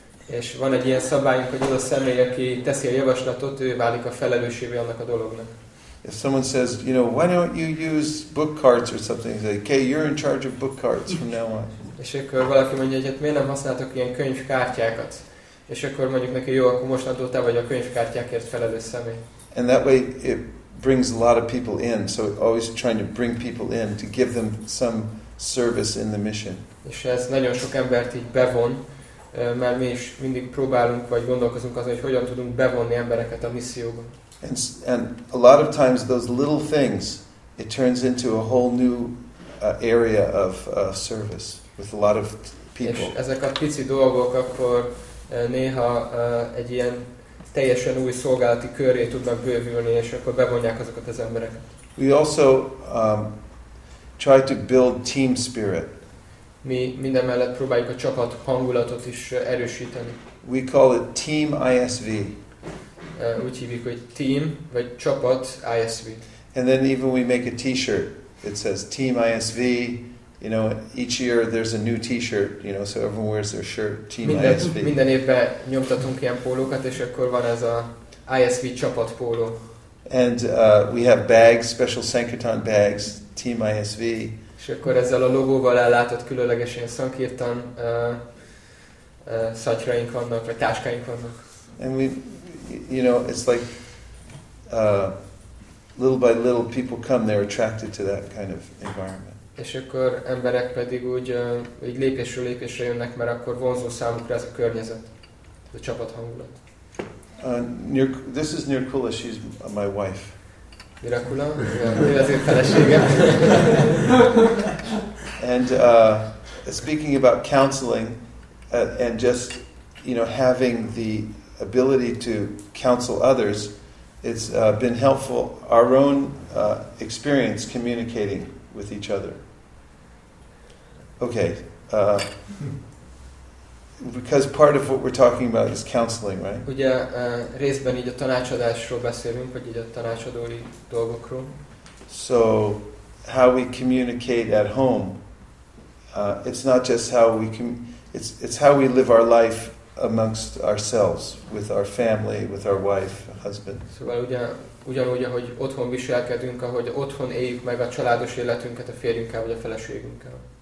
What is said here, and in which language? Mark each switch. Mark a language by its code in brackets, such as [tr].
[hu] És van egy ilyen szabályunk, hogy az a személy, aki teszi a javaslatot, ő válik a felelőssévé annak a dolognak. [en] If someone says, you know, why don't you use book carts or something, say, okay, you're in charge of book carts from now on. [hu] És akkor valaki mondja, hogy hát miért nem használtok ilyen könyvkártyákat? És akkor mondjuk neki, jó, akkor mostantól te vagy a könyvkártyákért felelős személy. [en] And that way it brings a lot of people in, so always trying to bring people in to give them some service in the mission. [hu] És ez nagyon sok embert így bevon, mert mi is mindig próbálunk vagy gondolkozunk azon, hogy hogyan tudunk bevonni embereket a misszióba. [en] And a lot of times those little things, it turns into a whole new area of service with a lot of people. [hu] És ezek a pici dolgok akkor néha egy ilyen teljesen új szolgálati körré tudnak bővülni, és akkor bevonják azokat az embereket. [en] We also try to build team spirit. [hu] Mi mindemellett próbáljuk a csapat hangulatot is erősíteni. [en] We call it team ISV. [hu] Úgy hívjuk, hogy team, vagy csapat ISV. [en] And then even we make a t-shirt that says team ISV. You know, each year there's a new T-shirt. You know, so everyone wears their shirt. Team [hu] minden, [en] ISV. [hu] Minden évben nyomtatunk ilyen pólókat, és akkor van ez a ISV csapat póló. [en] And we have bags, special Sankirtan bags, Team ISV. [hu] És akkor ezzel a logóval ellátott különlegesen Sankirtan szatyraink vannak, vagy táskáink vannak. [en] And we, you know, it's like little by little, people come. They're attracted to that kind of environment. [hu] és akkor emberek pedig úgy így lépésről lépésre jönnek, mert akkor vonzó számukra ez a környezet, ez a csapat hangulat. [en] This is Nirkula, she's my wife. [hu] Nirkula, ez én feleségem. [en] And speaking about counseling and just, you know, having the ability to counsel others, it's been helpful, our own experience communicating with each other. Okay, because part of what we're talking about is counseling, right? [hu] Ugye részben így a tanácsadásról beszélünk, vagy így a tanácsadói dolgokról. [en] So, how we communicate at home, it's not just how we it's how we live our life amongst ourselves, with our family, with our wife, husband. [hu] Szóval ugyanúgy, ahogy otthon viselkedünk, ahogy otthon éljük meg a családos életünket a férjünkkel vagy a feleségünkkel.